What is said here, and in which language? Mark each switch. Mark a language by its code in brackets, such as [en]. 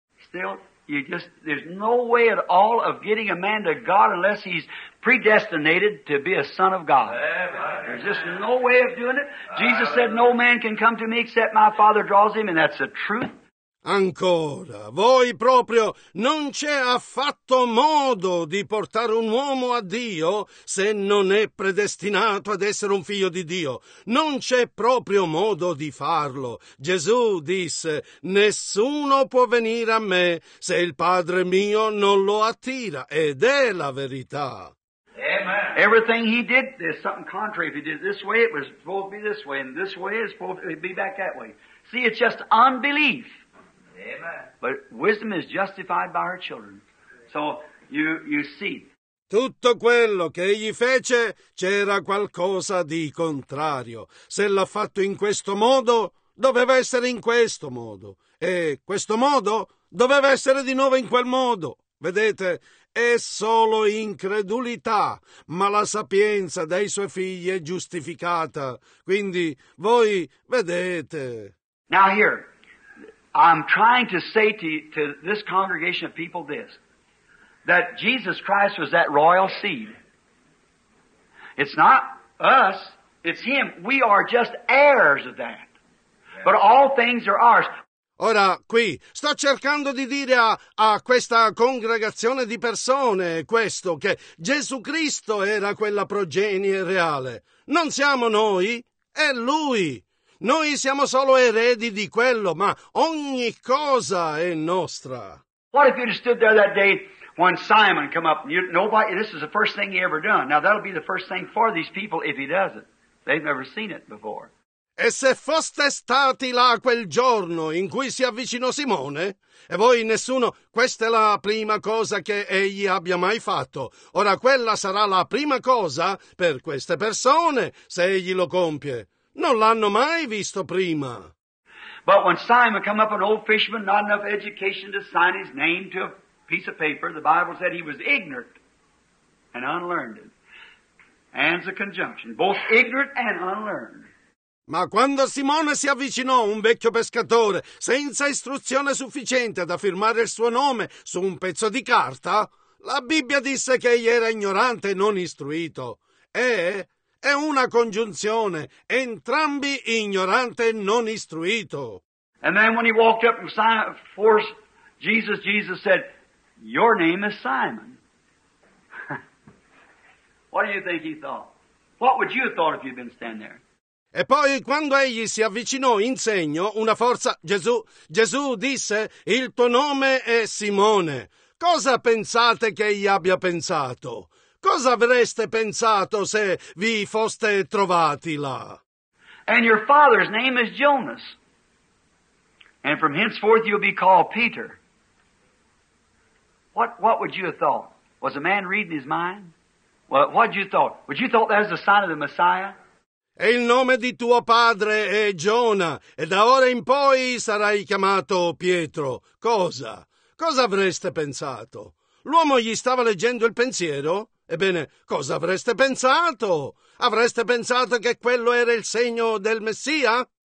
[en] Still, you just, there's no way at all of getting a man to God unless he's predestinated to be a son of God. There's just no way of doing it. Jesus said, no man can come to me except my Father draws him, and that's the truth. [it] Ancora, voi proprio, non c'è affatto modo di portare un uomo a Dio se non è predestinato ad essere un figlio di Dio. Non c'è proprio modo di farlo. Gesù disse, nessuno può venire a me se il Padre mio non lo attira. Ed è la verità. Amen. [en] Everything he did, there's something contrary. If he did it this way, it was supposed to be this way. And this way, it's supposed to be back that way. See, it's just unbelief. Amen. But wisdom is justified by her children. So you see. [it] Tutto quello che egli fece c'era qualcosa di contrario. Se l'ha fatto in questo modo, doveva essere in questo modo. E questo modo doveva essere di nuovo in quel modo. Vedete, è solo incredulità, ma la sapienza dei suoi figli è giustificata. Quindi voi vedete. [en] Now here. I'm trying to say to this congregation of people this, that Jesus Christ was that royal seed. It's not us, it's Him. We are just heirs of that. But all things are ours. [it] Ora, qui, sto cercando di dire a questa congregazione di persone questo, che Gesù Cristo era quella progenie reale. Non siamo noi, è Lui. Noi siamo solo eredi di quello, ma ogni cosa è nostra. [en] What if you'd stood there that day when Simon come up? Nobody, this is the first thing he ever done. Now that'll be the first thing for these people if he does it. They've never seen it before. [it] E se foste stati là quel giorno in cui si avvicinò Simone, e voi nessuno, questa è la prima cosa che egli abbia mai fatto. Ora quella sarà la prima cosa per queste persone se egli lo compie. Non l'hanno mai visto prima. [en] But when Simon come up, an old fisherman, not enough education to sign his name to a piece of paper, the Bible said he was ignorant and unlearned. And's a conjunction, both ignorant and unlearned. [it] Ma quando Simone si avvicinò, un vecchio pescatore, senza istruzione sufficiente ad firmare il suo nome su un pezzo di carta, la Bibbia disse che egli era ignorante e non istruito. È una congiunzione, entrambi ignorante e non istruito. [en] And then when he walked up before Jesus, Jesus said, "Your name is Simon." What do you think he thought? What would you have thought if you'd been standing there? [it] E poi quando egli si avvicinò in segno, una forza, Gesù disse, "Il tuo nome è Simone." Cosa pensate che egli abbia pensato? Cosa avreste pensato se vi foste trovati là? [en] And your father's name is Jonas. And from henceforth you'll be called Peter. What would you have thought? Was a man reading his mind? Well, what would you thought? Would you thought that was the sign of the Messiah? [it] E il nome di tuo padre è Giona, e da ora in poi sarai chiamato Pietro. Cosa? Cosa avreste pensato? L'uomo gli stava leggendo il pensiero? Ebbene, cosa avreste pensato? Avreste pensato che quello era il segno del Messia?